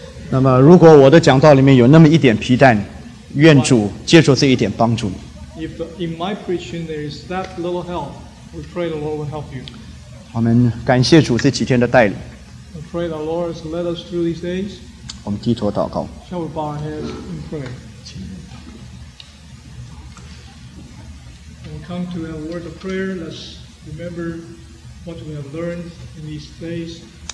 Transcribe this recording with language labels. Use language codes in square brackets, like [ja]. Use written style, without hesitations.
[zh] 那么，如果我的讲道里面有那么一点皮蛋，愿主借助这一点帮助你。 [en] If in my preaching there is that little help, we pray the Lord will help you. [zh] 我们感谢主这几天的带领。 [en] We pray the Lord has led us through these days. [zh] 我们低头祷告。 [en] Shall we bow our heads and pray? When we come to a word of prayer, let's remember what we have learned in these days.